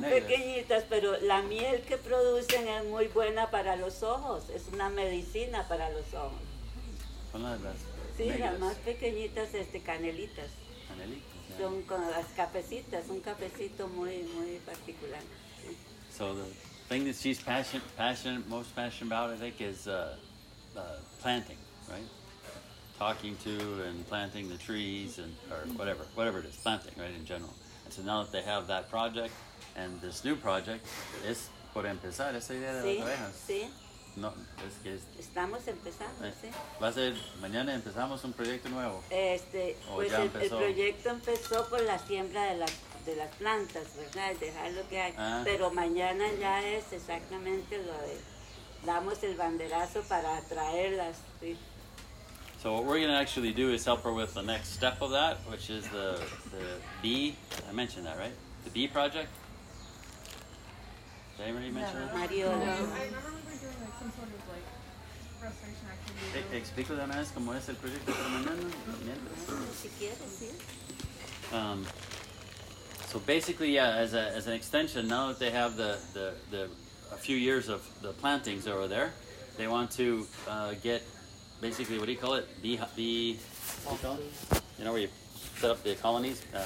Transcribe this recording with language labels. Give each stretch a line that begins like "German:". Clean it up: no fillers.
Spanish: pequeñitas, pero la miel que producen es muy buena para los ojos. Es una medicina para los ojos. Las más pequeñitas, canelitas. Canelitas. Son con las cafecitas, un cafecito muy, muy particular.
English: So the thing that she's most passionate about, I think, is planting, right? Talking to and planting the trees and or whatever it is, planting, right, in general. And so now that they have that project and this new project,
Spanish: es por empezar esa idea de las abejas. Sí. No, es que estamos empezando, sí. Va a ser, mañana empezamos un proyecto nuevo. El proyecto empezó por la siembra de las plantas, ¿verdad? Dejar lo que hay. Ah. Pero mañana ya es exactamente damos el banderazo para traerlas, sí.
English: So So what we're going to actually do is help her with the next step of that, which is the bee. I mentioned that, right? The bee project. Did anybody mention that? No, Mario. I remember we were doing like some sort of like frustration activity.
Spanish: Explico de más cómo es el proyecto para mañana.
English: So basically, yeah, as an extension, now that they have the a few years of the plantings over there, they want to get basically, what do you call it? Bee. You know where you set up the colonies?